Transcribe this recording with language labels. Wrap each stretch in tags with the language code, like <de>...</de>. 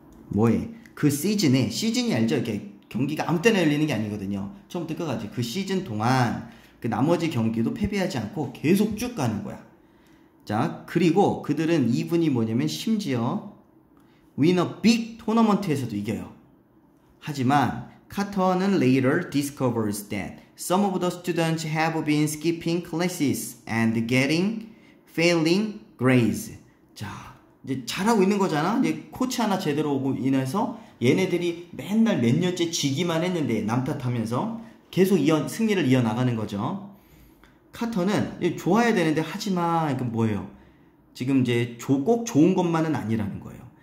<ko>뭐에? 그 시즌에, 시즌이 알죠? 이렇게 경기가 아무 때나 열리는 게 아니거든요. 처음부터 끝까지. 그 시즌 동안 그 나머지 경기도 패배하지 않고 계속 쭉 가는 거야. 자, 그리고 그들은 이분이 뭐냐면 심지어 위너 빅 토너먼트에서도 이겨요. 하지만 카터는</ko> <en>later discovers that some of the students have been skipping classes and getting failing grades.</en> <ko>자, 이제 잘하고 있는 거잖아. 이제 코치 하나 제대로 오고 인해서 얘네들이 맨날 몇 년째 지기만 했는데 남탓하면서 계속 승리를 이어나가는 거죠. 카터는 좋아야 되는데 하지만 그 뭐예요? 지금 이제 꼭 좋은 것만은 아니라는 거예요.</ko>